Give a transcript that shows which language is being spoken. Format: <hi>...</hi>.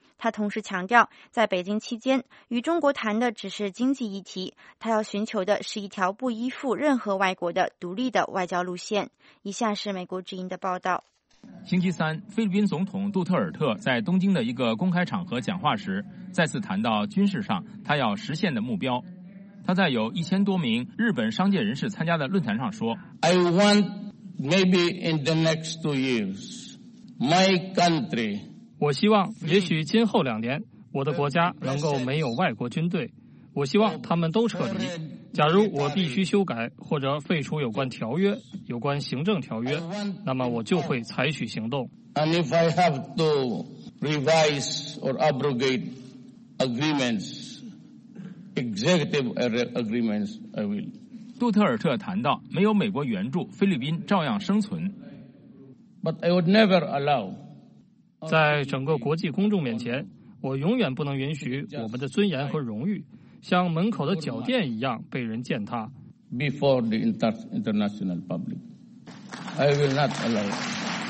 <zh>他同时强调，在北京期间，与中国谈的只是经济议题，他要寻求的是一条不依附任何外国的独立的外交路线。以下是美国之音的报道。星期三，菲律宾总统杜特尔特在东京的一个公开场合讲话时，再次谈到军事上他要实现的目标。他在有1000多名日本商界人士参加的论坛上说</zh> <en>I want maybe in the next 2 years my country。</en> <zh>我希望也许今后2年我的国家能够没有外国军队，我希望他们都撤离。假如我必须修改或者废除有关条约、有关行政条约，那么我就会采取行动。</zh> <en>And if I have to revise or abrogate agreements, executive agreements, I will.</en> <zh>杜特尔特谈到，没有美国援助，菲律宾照样生存。</zh> <en>But I would never allow.</en> <zh>在整个国际公众面前，我永远不能允许我们的尊严和荣誉像门口的脚垫一样被人践踏。</zh> <en>Before the international public, I will not allow it.</en>